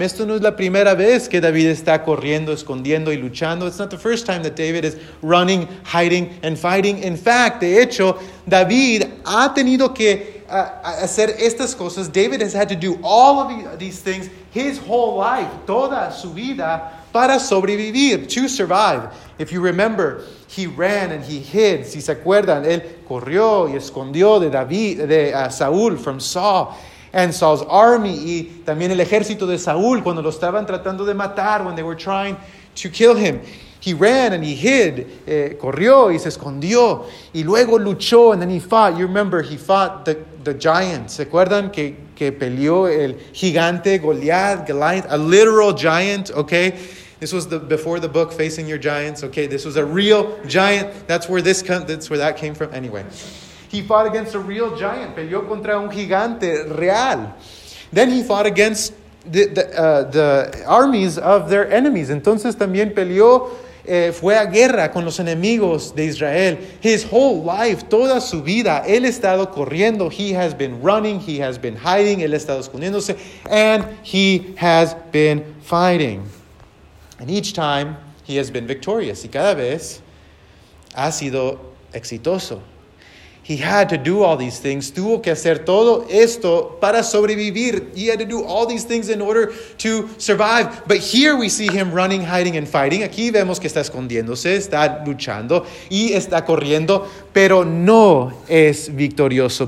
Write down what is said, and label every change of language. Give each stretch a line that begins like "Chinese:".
Spanish: Esto no es la primera vez que David está corriendo, escondiendo y luchando.
English: It's not the first time that David is running, hiding, and fighting. In fact,
Spanish: de hecho, David ha tenido que hacer estas cosas.
English: David has had to do all of these things his whole life,
Spanish: toda su vida, para sobrevivir,
English: to survive. If you remember, he ran and he hid.
Spanish: Si se acuerdan, él corrió y escondió de David, de Saúl,
English: from Saul and Saul's army,
Spanish: y también el ejército de Saúl cuando lo estaban tratando de matar,
English: when they were trying to kill him. He ran and he hid,
Spanish: corrió y se escondió, y luego luchó,
English: and then he fought. You remember, he fought the giant.
Spanish: ¿Se acuerdan que peleó el gigante, Goliath,
English: a literal giant, okay? This was before the book Facing Your Giants, okay? This was a real giant. That's where that came from. Anyway, he fought against a real giant.
Spanish: Peleó contra un gigante real.
English: Then he fought against the armies of their enemies.
Spanish: Entonces también peleó, fue a guerra con los enemigos de Israel.
English: His whole life,
Spanish: toda su vida, él ha estado corriendo.
English: He has been running. He has been hiding.
Spanish: Él ha estado escondiéndose.
English: And he has been fighting. And each time, he has been victorious.
Spanish: Y cada vez, ha sido exitoso.
English: He had to do all these things.
Spanish: Tuvo que hacer todo esto para sobrevivir.
English: He had to do all these things in order to survive. But here we see him running, hiding, and fighting.
Spanish: Aquí vemos que está escondiéndose, está luchando, y está corriendo, pero no es victorioso.